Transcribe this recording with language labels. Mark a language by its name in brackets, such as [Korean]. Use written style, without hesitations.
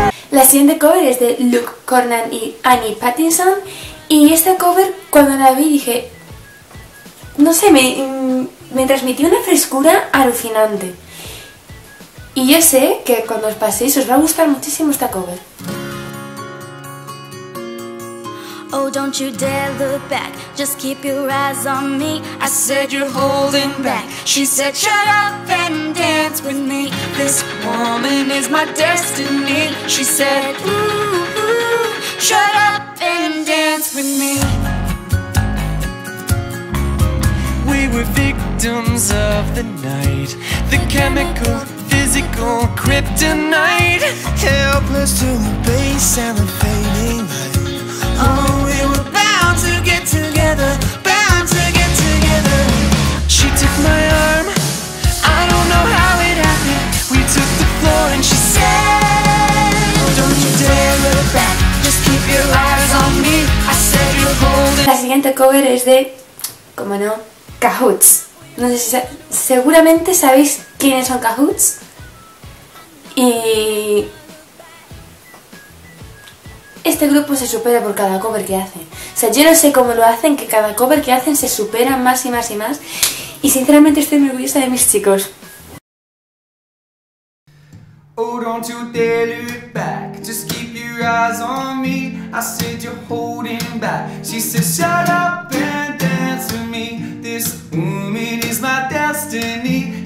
[Spanish] la siguiente cover es de Luke Cornan y Annie Pattinson, y esta cover cuando la vi dije, no sé, me transmitió una frescura alucinante. Y yo sé que cuando os paséis os va a gustar muchísimo esta cover. [English] Oh, don't you dare look back, just keep your eyes on me. I said you're holding back. She said shut up and dance with me. This woman is my destiny. She said ooh, ooh, shut up and dance with me. We were victims of the night, the chemical, physical kryptonite. Helpless to the base and the fading light. Oh, we were bound to get together, bound to get together. She took my arm, I don't know how it happened. We took the floor and she said, oh, don't you dare look back, just keep your eyes on me. I said you're holding. [Spanish] La siguiente cover es de, como no, Cahoots. No sé si seguramente sabéis quiénes son Cahoots. Y este grupo se supera por cada cover que hacen. O sea, yo no sé cómo lo hacen, que cada cover que hacen se supera más y más y más. Y sinceramente estoy muy orgullosa de mis chicos. [English] Oh, don't you dare look back, just keep your eyes on me. I said you're holding back. She said shut up and dance with me. This woman is my destiny.